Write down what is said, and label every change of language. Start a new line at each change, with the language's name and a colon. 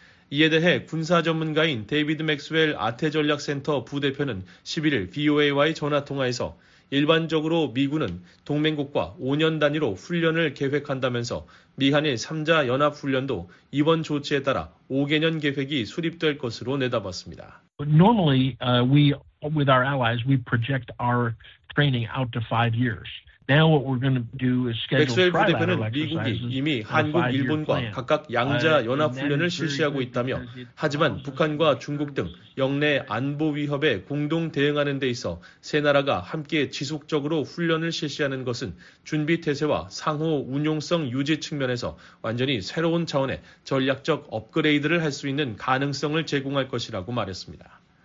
Korean: 이에 대해 군사 전문가인 데이비드 맥스웰 아태전략센터 부대표는 11일 VOA와의 전화통화에서 일반적으로 미군은 동맹국과 5년 단위로 훈련을 계획한다면서 미한일 3자 연합훈련도 이번 조치에 따라 5개년 계획이 수립될 것으로 내다봤습니다.
English: Normally, we, with our allies, we project our training out to 5 years. Now what we're going to do is schedule.
Korean: 맥스웰 부대표는 미국이 이미 한국, 일본과 각각 양자 연합훈련을 실시하고 있다며, 하지만 북한과 중국 등 역내 안보 위협에 공동 대응하는 데 있어 세 나라가 함께 지속적으로 훈련을 실시하는 것은 준비 태세와 상호 운용성 유지 측면에서 완전히 새로운 차원의 전략적 업그레이드를 할 수 있는 가능성을 제공할 것이라고 말했습니다.